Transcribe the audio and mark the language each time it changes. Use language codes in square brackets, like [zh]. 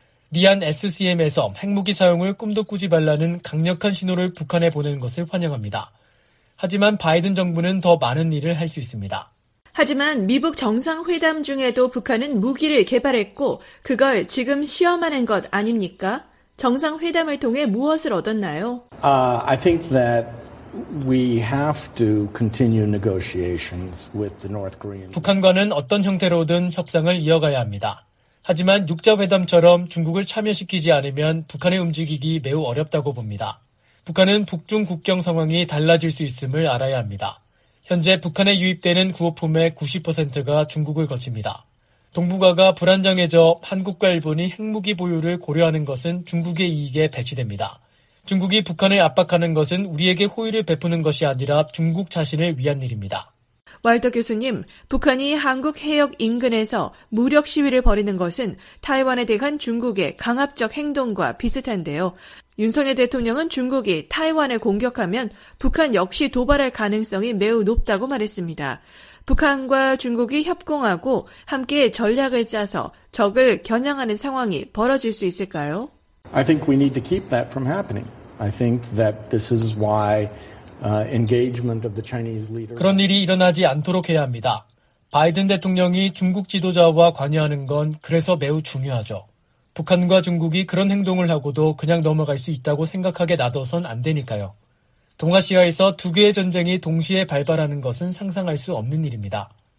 [ko] 리안 SCM에서 핵무기 사용을 꿈도 꾸지 말라는 강력한 신호를 북한에 보내는 것을 환영합니다. 하지만 바이든 정부는 더 많은 일을 할 수 있습니다. 하지만 미북 정상회담 중에도 북한은 무기를 개발했고 그걸 지금 시험하는 것 아닙니까? 정상회담을 통해 무엇을 얻었나요? [en] I think that we have to continue negotiations with the North Koreans. [ko] 북한과는 어떤 형태로든 협상을 이어가야 합니다. 하지만 6자회담처럼 중국을 참여시키지 않으면 북한의 움직이기 매우 어렵다고 봅니다. 북한은 북중 국경 상황이 달라질 수 있음을 알아야 합니다. 현재 북한에 유입되는 구호품의 90%가 중국을 거칩니다. 동북아가 불안정해져 한국과 일본이 핵무기 보유를 고려하는 것은 중국의 이익에 배치됩니다. 중국이 북한을 압박하는 것은 우리에게 호의를 베푸는 것이 아니라 중국 자신을 위한 일입니다. 왈더 교수님, 북한이 한국 해역 인근에서 무력 시위를 벌이는 것은 타이완에 대한 중국의 강압적 행동과 비슷한데요. 윤석열 대통령은 중국이 타이완을 공격하면 북한 역시 도발할 가능성이 매우 높다고 말했습니다. 북한과 중국이 협공하고 함께 전략을 짜서 적을 겨냥하는 상황이 벌어질 수 있을까요? [en] I think we need to keep that from happening. I think that this is why engagement of the Chinese leader. [ko] 그런 일이 일어나지 않도록 해야 합니다. 바이든 대통령이 중국 지도자와 관여하는 건 그래서 매우 중요하죠. 북한과 중국이 그런 행동을 하고도 그냥 넘어갈 수 있다고 생각하게 놔둬선 안 되니까요. 동아시아에서 두 개의 전쟁이 동시에 발발하는 것은 상상할 수 없는 일입니다.